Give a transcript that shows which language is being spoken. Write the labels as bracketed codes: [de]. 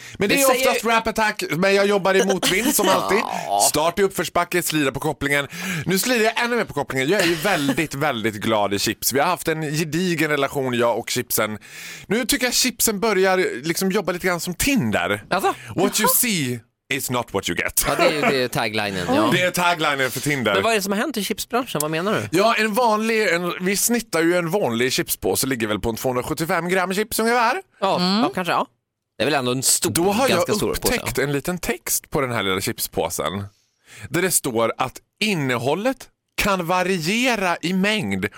[sv] Men det är oftast säger Rap Attack, men jag jobbar i motvind som alltid. Start i uppförsbacke, slida på kopplingen. Nu slider jag ännu mer på kopplingen. Jag är ju väldigt, väldigt glad i chips. Vi har haft en gedigen relation, jag och chipsen. Nu tycker jag chipsen börjar liksom jobba lite grann som Tinder. Alltså? [en] What you see it's not what you get. [sv] Ja, det är ju taglinen. Ja. Det är taglinen för Tinder. Men vad är det som har hänt i chipsbranschen? Vad menar du? Ja, vi snittar ju en vanlig chipspåse. Det ligger väl på en 275 gram chips ungefär. Ja, kanske ja. Det är väl ändå en stor, då har ganska jag upptäckt påse, ja. En liten text på den här lilla chipspåsen. Där det står att innehållet kan variera i mängd.